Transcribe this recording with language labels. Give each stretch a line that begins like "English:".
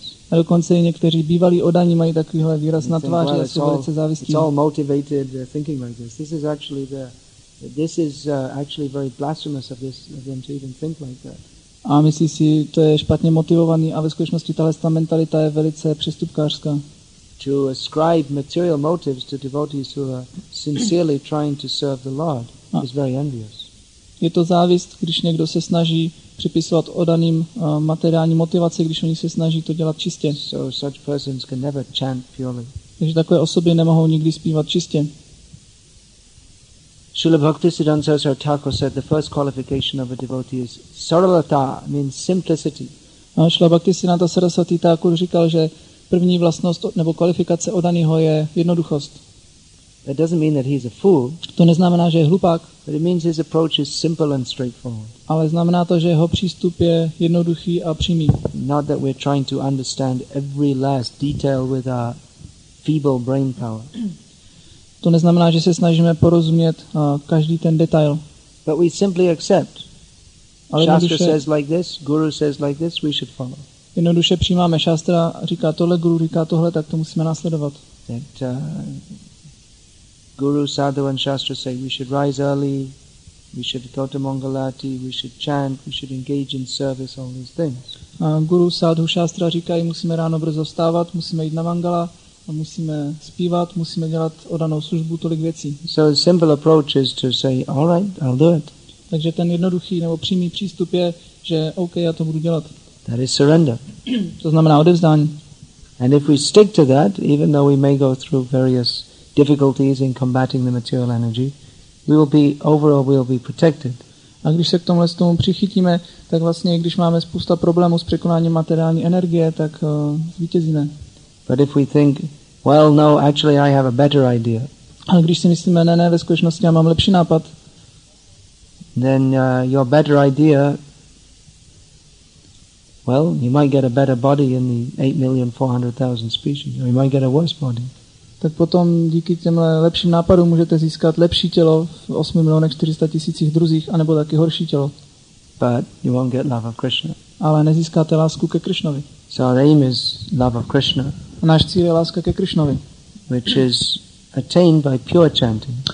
Czech: A dokonce i někteří bývalí oddaní mají takovýhle výraz na tváři a jsou velice závistí.
English: It's all motivated thinking like this. This is actually very blasphemous of this of them to even think like that.
Czech: A myslí si, to je špatně motivovaný a ve skutečnosti tahle mentalita je velice přestupkářská.
English: To ascribe material motives to devotees who are sincerely trying to serve the Lord is very envious.
Czech: Je to závist, když někdo se snaží připisovat oddaným materiální motivaci, když oni se snaží to dělat čistě.
English: So such persons can never chant purely.
Czech: Takže takové osoby nemohou nikdy zpívat čistě.
English: Srila Bhaktisiddhanta Saraswati Thakur said the first qualification of a devotee is saralata, means simplicity.
Czech: Srila Bhaktisiddhanta Saraswati Thakur říkal, že první vlastnost nebo kvalifikace oddaného je jednoduchost.
English: That doesn't mean that he's a fool.
Czech: To neznamená, že je hlupák.
English: But it means his approach is simple and straightforward.
Czech: Ale znamená to, že jeho přístup je jednoduchý a přímý.
English: Not that we're trying to understand every last detail with our feeble brain power.
Czech: To neznamená, že se snažíme porozumět každý ten detail.
English: But we simply accept. Shastra says like this, guru says like this, we should follow.
Czech: Jednoduše přijímáme. Shastra říká tohle, guru říká tohle, tak to musíme následovat.
English: That, guru, sadhu and shastra say we should rise early, we should go to Mangalati, we should chant, we should engage in service, all these things.
Czech: Guru, sadhu, shastra říkají, musíme ráno brzo vstávat, musíme jít na mangala, a musíme zpívat, musíme dělat oddanou službu, tolik věcí.
English: So a simple approach is to say, all right, I'll do it.
Czech: Takže ten jednoduchý nebo přímý přístup je, že OK, já to budu dělat.
English: That is surrender.
Czech: To znamená odevzdání.
English: And if we stick to that, even though we may go through various difficulties in combating the material energy, we will be overall we will be protected.
Czech: A když se k tomhle tomu přichytíme, tak vlastně když máme spousta problémů s překonáním materiální energie, tak zvítězíme.
English: But if we think, well, no, actually I have a better idea.
Czech: A když si myslíme, ne, ve skutečnosti já mám lepší nápad.
English: Then your better idea, well, you might get a better body in the 8,400,000 species, or you might get a worse body.
Czech: Tak potom díky těmhle lepším nápadům můžete získat lepší tělo v 8,400,000 druzích, anebo taky horší tělo.
English: But you won't get love of Krishna.
Czech: Ale nezískáte lásku ke Krishnovi.
English: So our aim is love of Krishna.
Czech: A náš cíl je láska ke Krishnovi.
English: Which is attained by pure chanting.